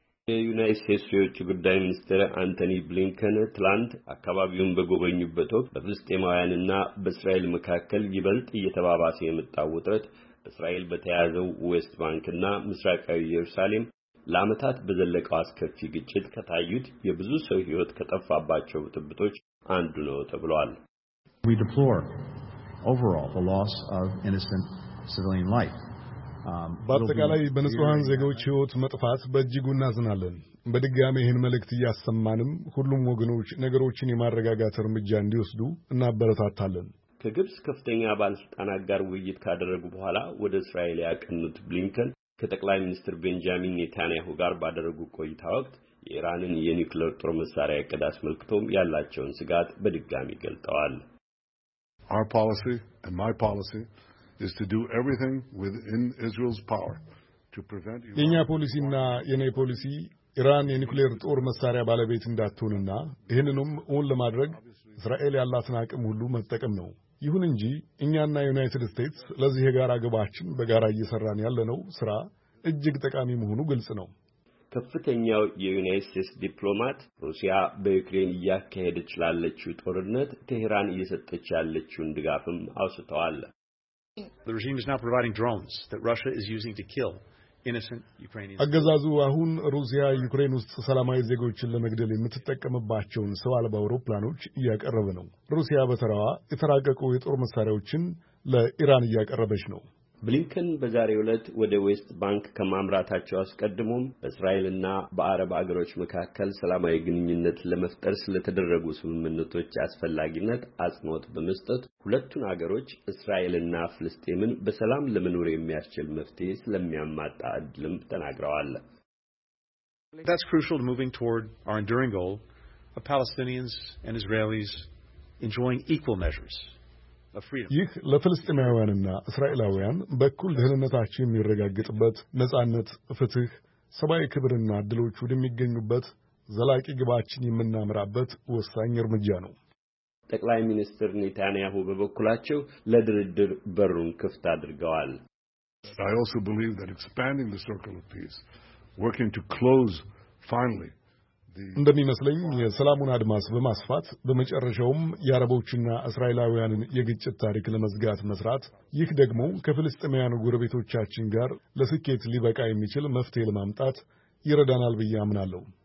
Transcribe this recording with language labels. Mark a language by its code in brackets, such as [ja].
[am] የዩናይትድ ስቴትስ የውጭ ጉዳይ ሚኒስትር አንቶኒ ብሊንከን ትላንት አካባቢውን በጎበኙበት ወቅት በፍልስጤማውያንና በእስራኤል መካከል ይበልጥ እየተባባሰ የመጣው ውጥረት በእስራኤል በተያዘው ዌስት ባንክና ምስራቃዊ ኢየሩሳሌም ለአመታት በዘለቀው አስከፊ ግጭት ከታዩት የብዙ ሰው ህይወት ከጠፋባቸው ጥብጦች አንዱ ነው ተብሏል። [en] We deplore overall the loss of innocent civilian life. [am] በአጠቃላይ በንጹሃን ዜጎች ህይወት መጥፋት በእጅጉ እናዝናለን። በድጋሚ ይህን መልእክት ያሰማንም ሁሉም ወገኖች ነገሮችን የማረጋጋት እርምጃ እንዲወስዱ እናበረታታለን። ከግብጽ ከፍተኛ ባለስልጣናት ጋር ውይይት ካደረጉ በኋላ ወደ እስራኤል ያቀኑት ብሊንከን ከጠቅላይ ሚኒስትር ቤንጃሚን ኔታንያሁ ጋር ባደረጉ ቆይታ ወቅት የኢራንን የኒውክሌር ጦር መሳሪያ እቅድ አስመልክቶም ያላቸውን ስጋት በድጋሚ ገልጠዋል። [en] Our policy and my policy is to do everything within Israel's power to prevent Iran. [am] የኛ ፖሊሲና የኔ ፖሊሲ ኢራን የኒውክሌር ጦር መሳሪያ ባለቤት እንዳትሆንና ይህንንም ወን ለማድረግ እስራኤል ያላትን አቅም ሁሉ መጠቀም ነው። ይሁን እንጂ እኛና ዩናይትድ ስቴትስ ለዚህ የጋራ ግባችን በጋራ እየሰራን ያለነው ስራ እጅግ ጠቃሚ መሆኑ ግልጽ ነው። ከፍተኛው የዩናይትድ ስቴትስ ዲፕሎማት ሩሲያ በዩክሬን ያካሄደች ላለችው ጦርነት ቴህራን እየሰጠች ያለችውን ድጋፍም አውስተዋል። [en] The regime is now providing drones that Russia is using to kill innocent Ukrainians. [am] አገዛዙ አሁን ሩሲያ ዩክሬን ውስጥ ሰላማዊ ዜጎችን ለመግደል የምትጠቀምባቸውን ሰው አልባ አውሮፕላኖች እያቀረበ ነው። ሩሲያ በተራዋ የተራቀቁ የጦር መሳሪያዎችን ለኢራን እያቀረበች ነው። ብሊንከን በዛሬው ዕለት ወደ ዌስት ባንክ ከማምራታቸው አስቀድሞም በእስራኤልና በአረብ አገሮች መካከል ሰላማዊ ግንኙነት ለመፍጠር ስለተደረጉ ስምምነቶች አስፈላጊነት አጽንኦት በመስጠት ሁለቱን አገሮች እስራኤልና ፍልስጤምን በሰላም ለመኖር የሚያስችል መፍትሄ ስለሚያማጣ እድልም ተናግረዋል። [en] That's crucial to moving toward our enduring goal of Palestinians and Israelis enjoying equal measures. [am] ይህ ለፍልስጤማውያንና እስራኤላውያን በእኩል ደህንነታቸው የሚረጋገጥበት ነጻነት፣ ፍትህ፣ ሰብአዊ ክብርና ድሎች ወደሚገኙበት ዘላቂ ግባችን የምናመራበት ወሳኝ እርምጃ ነው። ጠቅላይ ሚኒስትር ኔታንያሁ በበኩላቸው ለድርድር በሩን ክፍት አድርገዋል። [en] I also believe that expanding the circle of peace, working to close finally [am] እንደሚመስለኝ የሰላሙን አድማስ በማስፋት በመጨረሻውም የአረቦችና እስራኤላውያንን የግጭት ታሪክ ለመዝጋት መስራት፣ ይህ ደግሞ ከፍልስጤማውያን ጎረቤቶቻችን ጋር ለስኬት ሊበቃ የሚችል መፍትሄ ለማምጣት ይረዳናል ብዬ አምናለሁ።